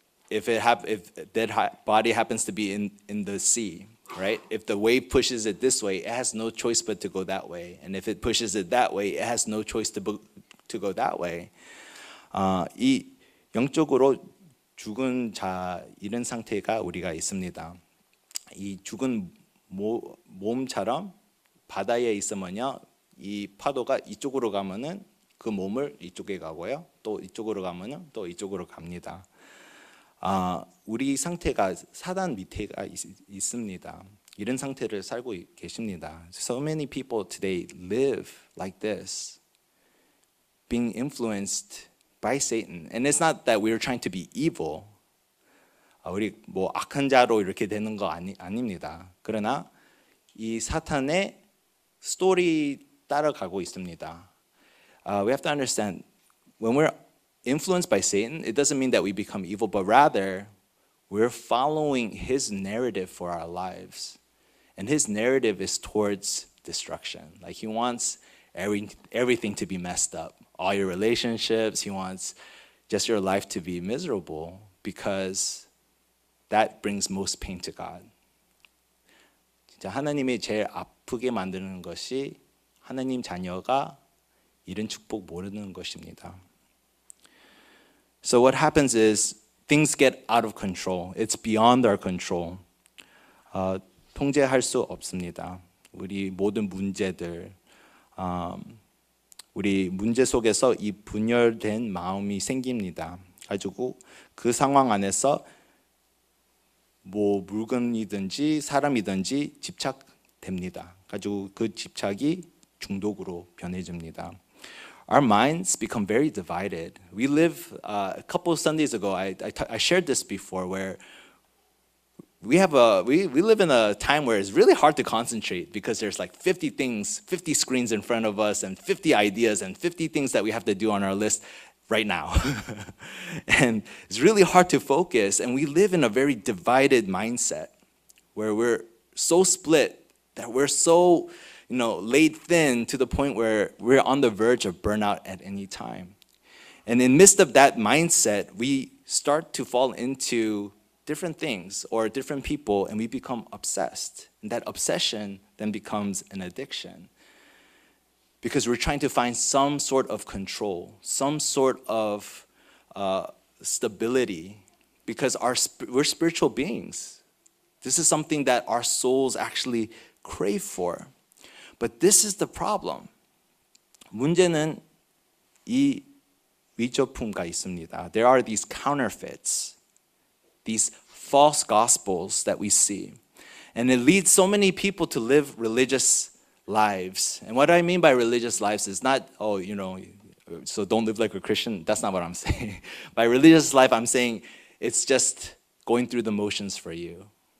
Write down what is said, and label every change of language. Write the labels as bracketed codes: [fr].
[en] If dead body happens to be in the sea, right? If the wave pushes it this way, it has no choice but to go that way, and if it pushes it that way, it has no choice to go that way. [ko] 이 영적으로 죽은 자 이런 상태가 우리가 있습니다. 이 죽은 몸처럼 바다에 있으면요, 이 파도가 이쪽으로 가면은 그 몸을 이쪽에 가고요, 또 이쪽으로 가면은 또 이쪽으로 갑니다. 우리 상태가 사단 밑에가 있습니다. 이런 상태를 살고 계십니다. [en] So many people today live like this, being influenced by Satan. And it's not that we're trying to be evil. [ko] 우리 뭐 악한 자로 이렇게 되는 거 아닙니다. 그러나 이 사탄의 스토리 따라가고 있습니다. [en] We have to understand, when we're influenced by Satan, it doesn't mean that we become evil, but rather we're following his narrative for our lives. And his narrative is towards destruction. Like, he wants everything to be messed up. All your relationships, he wants just your life to be miserable, because that brings most pain to God. [ko] 진짜 하나님이 제일 아프게 만드는 것이 하나님 자녀가 이런 축복 모르는 것입니다. [en] So what happens is things get out of control. It's beyond our control. [ko] 통제할 수 없습니다. 우리 모든 문제들, 우리 문제 속에서 이 분열된 마음이 생깁니다. 가지고 그 상황 안에서 뭐 물건이든지 사람이든지 집착됩니다. 가지고 그 집착이 중독으로 변해집니다. [en] Our minds become very divided. We live a couple of Sundays ago. I shared this before, where we live in a time where it's really hard to concentrate, because there's like 50 things, 50 screens in front of us, and 50 ideas, and 50 things that we have to do on our list right now. And it's really hard to focus, and we live in a very divided mindset where we're so split that we're so, you know, laid thin to the point where we're on the verge of burnout at any time. And in midst of that mindset, we start to fall into different things or different people, and we become obsessed. And that obsession then becomes an addiction, because we're trying to find some sort of control, some sort of stability, because we're spiritual beings. This is something that our souls actually crave for. But this is the problem. [ko] 문제는 이 위조품과 있습니다. [en] There are these counterfeits, these false gospels that we see. And it leads so many people to live religious lives. And what I mean by religious lives is not, oh, you know, so don't live like a Christian. That's not what I'm saying. By religious life, I'm saying it's just going through the motions for you.